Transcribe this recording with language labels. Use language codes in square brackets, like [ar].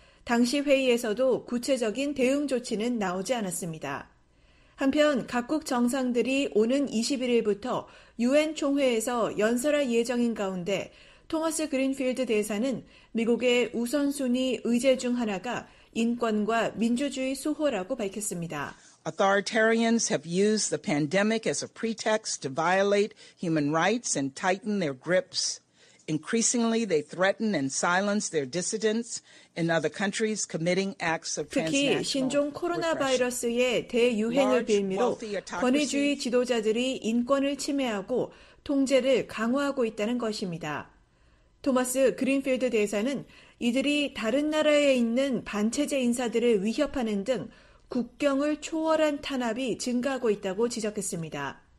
[ko] 당시 회의에서도 구체적인 대응 조치는 나오지 않았습니다. 한편 각국 정상들이 오는 21일부터 유엔 총회에서 연설할 예정인 가운데 토머스 그린필드 대사는 미국의 우선순위 의제 중 하나가 인권과 민주주의 수호라고 밝혔습니다. [en] Authoritarians have used the pandemic as a pretext to violate human rights and tighten their grips. Increasingly, they threaten and silence their dissidents in other countries committing acts of transnational. [ko] 특히 신종 코로나 바이러스의 대유행을 빌미로 권위주의 지도자들이 인권을 침해하고 통제를 강화하고 있다는 것입니다. 토머스 그린필드 대사는 이들이 다른 나라에 있는 반체제 인사들을 위협하는 등 국경을 초월한 탄압이 증가하고 있다고 지적했습니다.